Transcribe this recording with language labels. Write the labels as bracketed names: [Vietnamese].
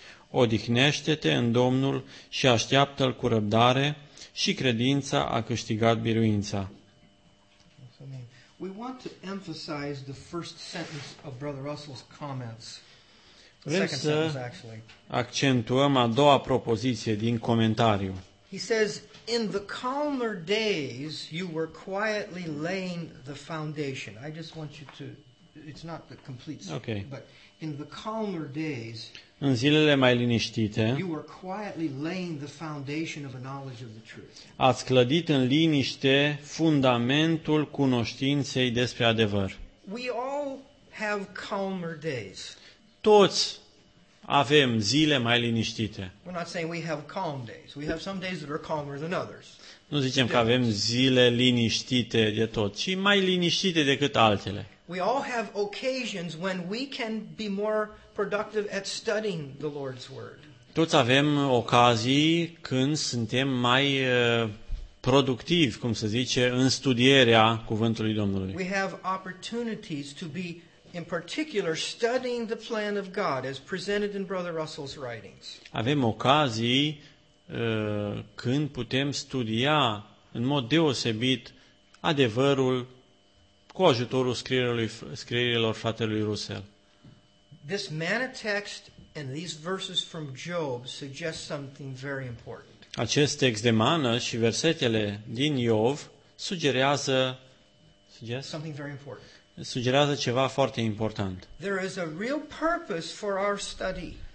[Romanian] Odihnește-te în Domnul și așteaptă-L cu răbdare și credința a câștigat biruința. [English] We want to emphasize the first sentence of Brother Russell's comments. [Romanian] Vrem să accentuăm a doua propoziție din comentariu. [English] He says, in the calmer days, you were quietly laying the foundation. I just want you to, it's not the complete story, okay. But in the calmer days, [Romanian] în zilele mai liniștite, [English] you were quietly laying the foundation of a knowledge of the truth. [Romanian] Ați clădit în liniște fundamentul cunoștinței despre adevăr. [English] We all have calmer days. [Romanian] Toți avem zile mai liniștite. [English] We're not saying we have calm days. We have some days that are calmer than others. [Romanian] Nu zicem că avem zile liniștite de tot, ci mai liniștite decât altele. [English] We all have occasions when we can be more productive at studying the Lord's word. [Romanian] Toți avem ocazii când suntem mai productivi, cum se zice, în studierea cuvântului Domnului. [English] We have opportunities to be in particular studying the plan of God as presented in Brother Russell's writings. [Romanian] Avem ocazii când putem studia în mod deosebit adevărul cu ajutorul scrierilor fratelui Russell. [English] This manna text and these verses from Job suggest something very important. [Romanian] Acest text de mană și versetele din Iov sugerează [English] something very important. [Romanian] Sugerează ceva foarte important. [English] There is a real purpose for our study.